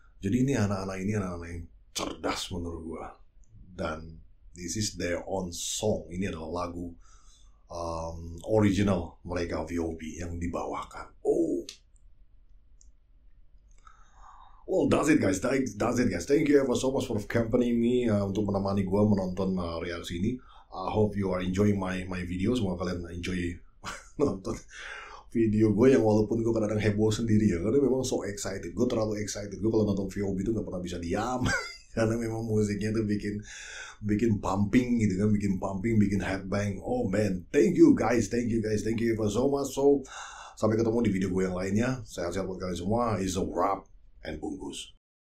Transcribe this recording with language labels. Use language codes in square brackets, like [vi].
[id] Jadi ini anak-anak yang cerdas menurut gua. [en] Dan this is their own song. [id] Ini adalah lagu original mereka, VOB, yang dibawakan. [en] Oh. Well, that's it guys. Thank you ever so much for accompanying me, [id] untuk menemani gua menonton reaksi ini. [en] I hope you are enjoying my video. [id] Semoga kalian enjoy nonton video gue, yang walaupun gue kadang heboh sendiri ya, karena memang so excited, gue terlalu excited. Gue kalau nonton VOB itu gak pernah bisa diam karena memang musiknya tuh bikin pumping gitu kan, bikin pumping, bikin headbang. [en] Oh man, thank you guys, thank you for so much. [id] So, sampai ketemu di video gue yang lainnya. Sehat-sehat buat kalian semua. [en] It's a wrap and [id] bungkus.